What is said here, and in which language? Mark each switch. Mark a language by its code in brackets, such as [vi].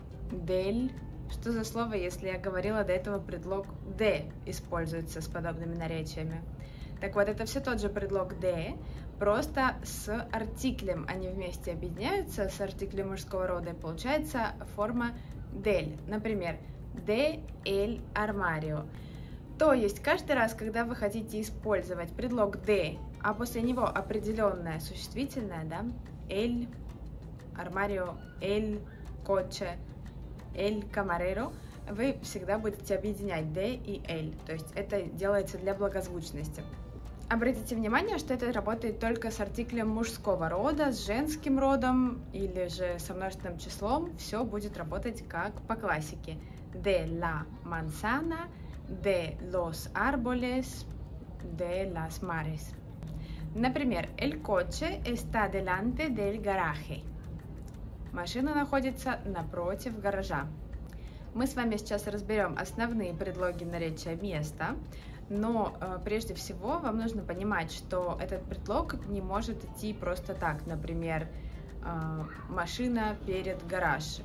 [es] Del. [ru] Что за слово, если я говорила до этого предлог de используется с подобными наречиями? Так вот, это все тот же предлог de, просто с артиклем они вместе объединяются, с артиклем мужского рода, и получается форма del. [es] Например, de el armario. [ru] То есть, каждый раз, когда вы хотите использовать предлог de, а после него определенное существительное, да, [es] el armario, el coche, el camarero, [ru] вы всегда будете объединять de и el. То есть, это делается для благозвучности. Обратите внимание, что это работает только с артиклем мужского рода, с женским родом или же со множественным числом. Все будет работать как по классике. [es] De la manzana, de los árboles, de las mares. Например, el coche está delante del garaje. [ru] Машина находится напротив гаража. Мы с вами сейчас разберем основные предлоги наречия места. Но прежде всего вам нужно понимать, что этот предлог не может идти просто так. Например, машина перед гараж.